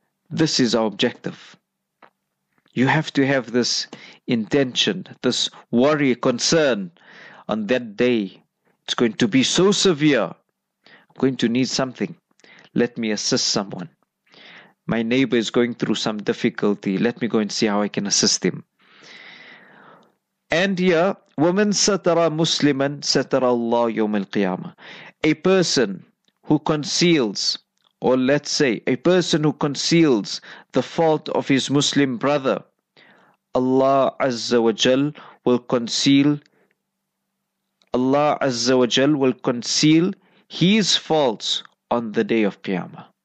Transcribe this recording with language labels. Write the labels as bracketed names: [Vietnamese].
[English] This is our objective. You have to have this intention, this worry, concern on that day. It's going to be so severe. I'm going to need something. Let me assist someone. My neighbor is going through some difficulty. Let me go and see how I can assist him. And here, [Arabic] وَمَنْ سَتَرَى مُسْلِمًا سَتَرَى اللَّهُ يَوْمَ الْقِيَامَةِ. [English] A person who conceals, or let's say, a person who conceals the fault of his Muslim brother, Allah Azza wa Jal will conceal, Allah Azza wa Jal will conceal his faults on the day of Qiyamah.